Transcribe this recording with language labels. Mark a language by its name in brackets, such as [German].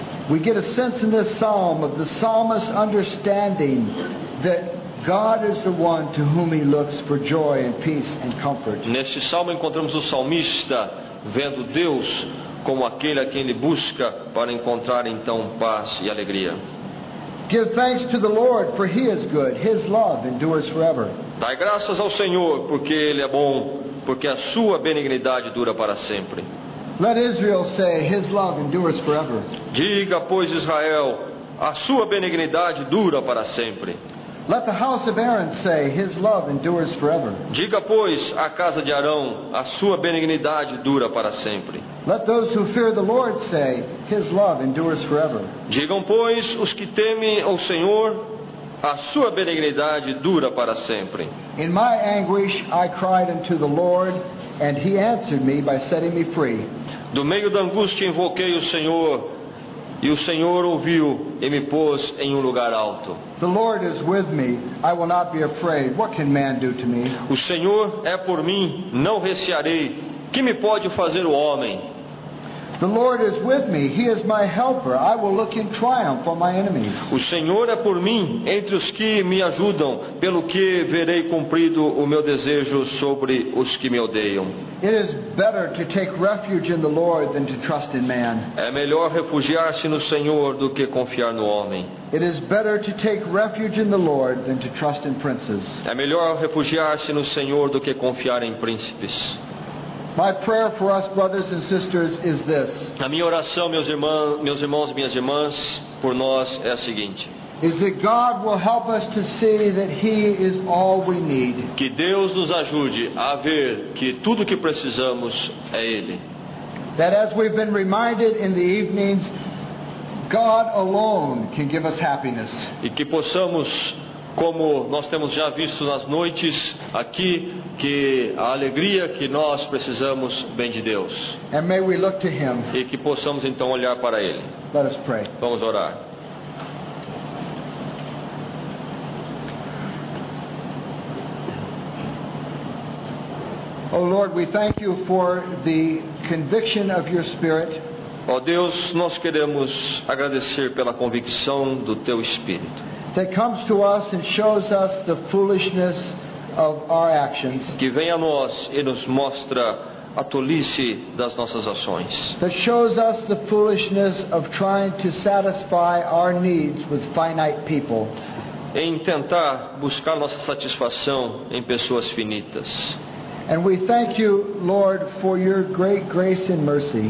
[English] We get a sense in this psalm of the psalmist's understanding that God is the one to whom he looks for joy and peace and comfort. [Portuguese] Neste salmo encontramos o salmista vendo Deus como aquele a quem ele busca para encontrar então paz e alegria. [English] Give thanks to the Lord, for he is good. His love endures forever. [Portuguese] Dai graças ao Senhor, porque ele é bom, porque a sua benignidade dura para sempre. [English] Let Israel say, his love endures forever. [Portuguese] Diga, pois, Israel, a sua benignidade dura para sempre. [English] Let the house of Aaron say, his love endures forever. [Portuguese] Diga, pois, a casa de Arão, a sua benignidade dura para sempre. [English] Let those who fear the Lord say, his love endures forever. [Portuguese] Digam, pois, os que temem ao Senhor, a sua benignidade dura para sempre. [English] In my anguish I cried unto the Lord, and he answered me by setting me free. [Portuguese] Do meio da angústia invoquei o Senhor, e o Senhor ouviu e me pôs em um lugar alto. [English] The Lord is with me, I will not be afraid. What can man do to me? [Portuguese] O Senhor é por mim, não recearei. Que me pode fazer o homem? [English] The Lord is with me. He is my helper. I will look in triumph on my enemies. [Portuguese] O Senhor é por mim entre os que me ajudam, pelo que verei cumprido o meu desejo sobre os que me odeiam. [English] It is better to take refuge in the Lord than to trust in man. [Portuguese] É melhor refugiar-se no Senhor do que confiar no homem. [English] It is better to take refuge in the Lord than to trust in princes. [Portuguese] É melhor refugiar-se no Senhor do que confiar em príncipes. [English] My prayer for us, brothers and sisters, is this. [Portuguese] A minha oração, meus irmãos, minhas irmãs, por nós é a seguinte. [English] Is that God will help us to see that He is all we need. [Portuguese] Que Deus nos ajude a ver que tudo que precisamos é Ele. [English] That as we've been reminded in the evenings, God alone can give us happiness. [Portuguese] E que possamos, como nós temos já visto nas noites aqui, que a alegria que nós precisamos vem de Deus. [English] And may we look to Him. [Portuguese] E que possamos então olhar para Ele. [English] Let us pray. [Portuguese] Vamos orar. [English] Oh Lord, we thank you for the conviction of your Spirit. [Portuguese] Ó Deus, nós queremos agradecer pela convicção do teu Espírito. [English] That comes to us and shows us the foolishness of our actions. [Portuguese] Que vem a nós e nos mostra a tolice das nossas ações. [English] That shows us the foolishness of trying to satisfy our needs with finite people. [Portuguese] Em tentar buscar nossa satisfação em pessoas finitas. [English] And we thank you, Lord, for your great grace and mercy.